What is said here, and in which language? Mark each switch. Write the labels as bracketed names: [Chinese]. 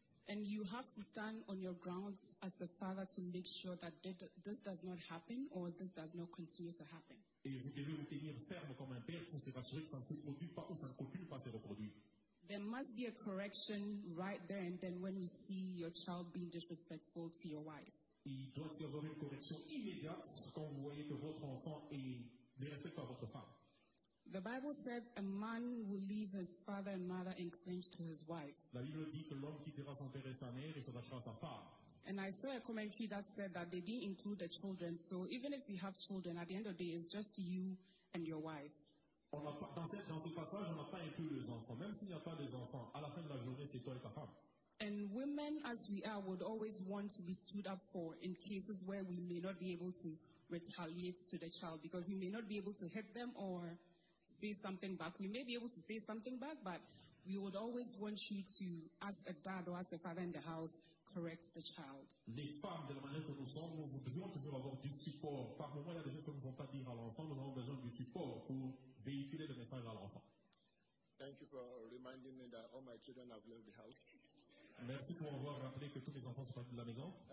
[English] And you have to stand on your grounds as a father to make sure that this does not happen or this does not continue to happen. [French] Et vous devez vous tenir ferme comme un père pour se rassurer que ça ne se produit pas ou ça ne continue pas à se reproduire. [English] There must be a correction right there and then when you see your child being disrespectful to your wife. [French] Il doit y avoir une correction immédiate quand vous voyez que votre enfant est disrespectful à votre femme. [English] The Bible said a man will leave his father and mother and cling to his wife. [French] La Bible dit que l'homme quittera son père et sa mère et s'attachera à sa femme. [English] And I saw a commentary that said that they didn't include the children. So even if you have children, at the end of the day, it's just you and your wife. [French] Dans ce passage, on n'a pas inclus les enfants. Même s'il n'y a pas des enfants, à la fin de la journée, c'est toi et ta femme. [English] And women, as we are, would always want to be stood up for in cases where we may not be able to retaliate to the child because we may not be able to hit them or say something back. We may be able to say something back, but we would always want you to, as a dad or as the father in the house, correct the child. [French] Les femmes, de la manière que nous sommes, nous voudrions toujours avoir du support. Par moment, il y a des choses que nous ne pouvons pas dire à l'enfant. Nous avons besoin du support pour véhiculer le message à l'enfant. [English] Thank you for reminding me that all my children have left the house. [French] Merci pour avoir rappelé que tous mes enfants sont partis de la maison.